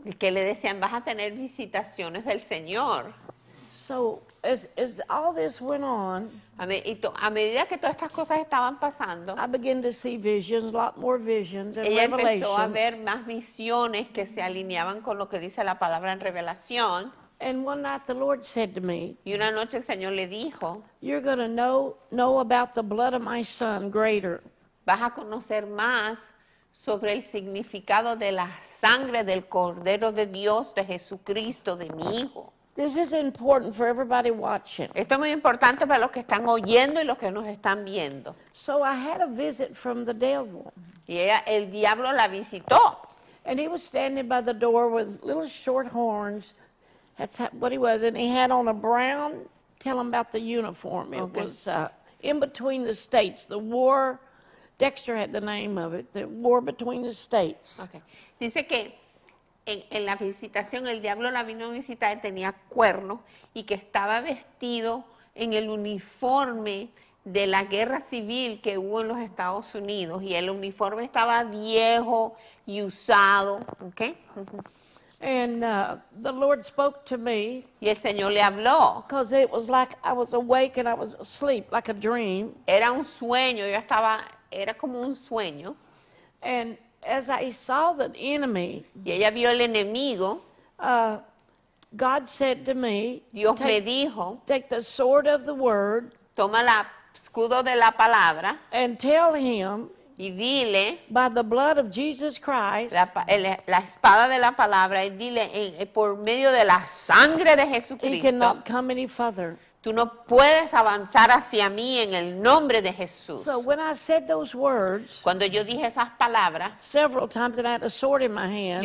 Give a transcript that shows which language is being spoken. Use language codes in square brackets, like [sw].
[es] Y que le decían, vas a tener visitaciones del Señor. [en] So as all this went on, [es] a medida que todas estas cosas estaban pasando, [en] I began to see visions, a lot more visions and [es] ella [en] revelations. [es] Ella empezó a ver más visiones que se alineaban con lo que dice la palabra en revelación. [en] And one night the Lord said to me, [es] y una noche el Señor le dijo, [en] you're going to know about the blood of my son greater. [es] Vas a conocer más sobre el significado de la sangre del Cordero de Dios, de Jesucristo, de mi hijo. [en] This is important for everybody watching. [es] Esto es muy importante para los que están oyendo y los que nos están viendo. [en] So I had a visit from the devil. [es] Y ella, el diablo la visitó. [en] And he was standing by the door with little short horns. That's what he was. And he had on a brown, tell him about the uniform. It was in between the states, the war. Dexter had the name of it, the war between the states. Okay. [es] Dice que en la visitación, el diablo la vino a visitar y tenía cuernos y que estaba vestido en el uniforme de la guerra civil que hubo en los Estados Unidos. Y el uniforme estaba viejo y usado. Okay. [en] And the Lord spoke to me. [es] Y el Señor le habló. [en] Because it was like I was awake and I was asleep, like a dream. [es] Era un sueño, yo estaba, era como un sueño. [en] And as I saw the enemy, [es] y ella vio el enemigo, [en] God said to me, [es] Dios me dijo, [en] take the sword of the word, [es] toma el escudo de la palabra, [en] and tell him, [es] y dile, [en] by the blood of Jesus Christ, [es] la espada de la palabra, y dile, por medio de la sangre de Jesucristo, [en] he cannot come any further. [es] Tú no puedes avanzar hacia mí en el nombre de Jesús. [en] So when I said those words, [es] cuando yo dije esas palabras, [en] several times that I had a sword in my hand,